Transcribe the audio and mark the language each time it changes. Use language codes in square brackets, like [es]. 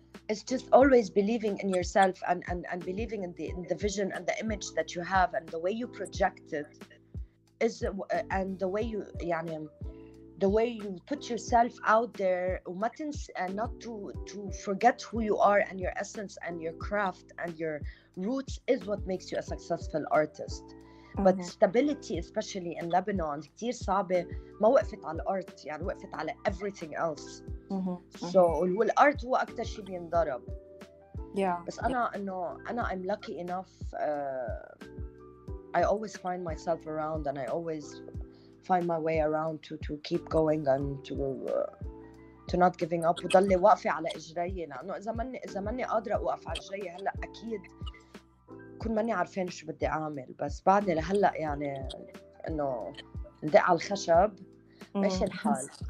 [en] It's just always believing in yourself and believing in the vision and the image that you have, and the way you project it is, and the way you, [ar] يعني, [en] the way you put yourself out there, and not to forget who you are and your essence and your craft and your roots is what makes you a successful artist. Mm-hmm. But stability, especially in Lebanon, [ar] كتير صعبة. ما وقفت على الأرض, يعني وقفت على [en] everything else. Mm-hmm. So [ar] والأرض هو أكتر شيء بينضرب. [en] Yeah. [ar] بس أنا إنه أنا [en] I'm lucky enough. I always find myself around, and I always find my way around to keep going and to not giving up. [ar] وضلي واقفة على إجريي, لأنه إذا ماني قادرة أوقف على إجريي هلا أكيد كون ماني عارفين شو بدي أعمل. بس بعدني لهلا يعني إنه ندق على الخشب ماشي الحال.